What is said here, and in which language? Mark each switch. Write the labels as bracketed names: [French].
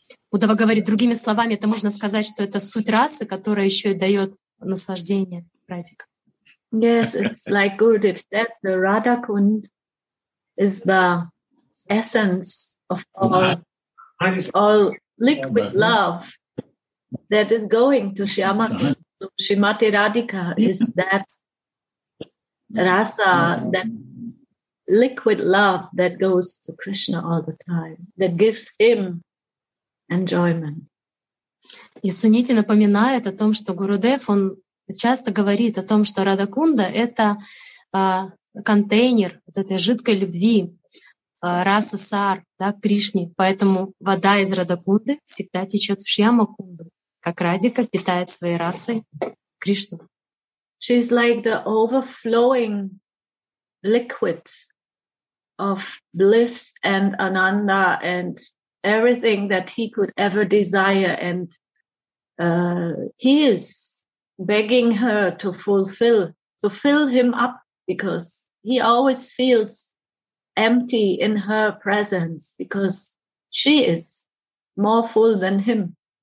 [Russian] Удава говорит другими словами, это можно сказать, что это суть расы, которая еще и дает наслаждение, Радик. [English] Yes, it's like Gurudev said, the Radha Kund is the essence of all liquid love that is going to Shyamati. So Shrimati Radhika is that rasa, that liquid love that goes to Krishna all the time, that gives him enjoyment. [Russian] И Сунити напоминает о том, что Гурудев, он часто говорит о том, что Радха Кунда — это контейнер вот этой жидкой любви, раса сар, да, к Кришне. Поэтому вода из Радха Кунды всегда течет в Шьяма Кунду, как Радика питает своей расой Кришну. [English] She's like the overflowing liquid of bliss and ananda and everything that he could ever desire. And he is begging her to fulfill, to fill him up, because he always feels empty in her presence, because she is more full than him.